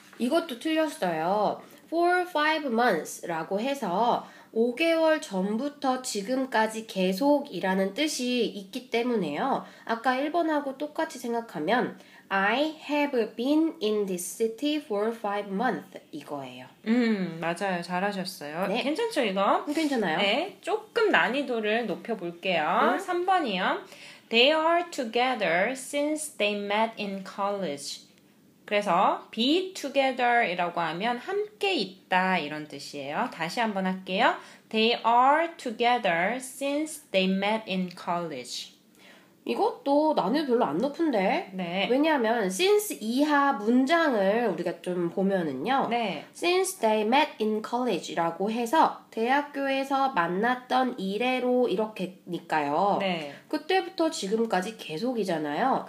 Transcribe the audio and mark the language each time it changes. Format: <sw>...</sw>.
<ko>이것도 틀렸어요.</ko> <en>For 5 months</en> <ko>라고 해서 5개월 전부터 지금까지 계속이라는 뜻이 있기 때문에요. 아까 1번하고 똑같이 생각하면</ko> <en>I have been in this city for 5 months</en> <ko>이거예요. 맞아요. 잘하셨어요. 네. 괜찮죠, 이거? 괜찮아요. 네, 조금 난이도를 높여볼게요. 3번이요.</ko> <en>They are together since they met in college.</en> <ko>그래서 be together이라고 하면 함께 있다 이런 뜻이에요. 다시 한번 할게요.</ko> <en>They are together since they met in college.</en> <ko>이것도 난이도 별로 안 높은데? 네. 왜냐하면 since 이하 문장을 우리가 좀 보면은요. 네.</ko> <en>Since they met in college</en> <ko>라고 해서 대학교에서 만났던 이래로 이렇게니까요. 네. 그때부터 지금까지 계속이잖아요.</ko>